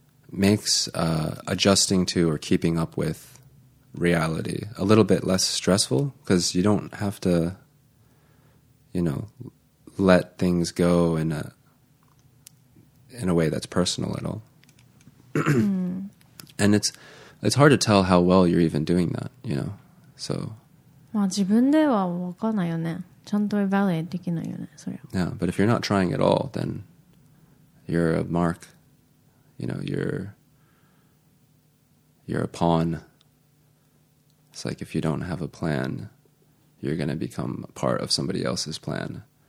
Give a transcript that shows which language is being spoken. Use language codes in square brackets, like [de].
[en] makes adjusting to or keeping up with reality a little bit less stressful because you don't have to, you know, let things go in a way that's personal at all. mm. And it's hard to tell how well you're even doing that, you know, so... [ja] まあ、自分では分かんないよね。ちゃんとエヴァレーできないよね。それ。 [en] Yeah, but if you're not trying at all, then you're a mark. You know, you're you're a pawn. It's like if you don't have a plan, you're going to become a part of somebody else's plan.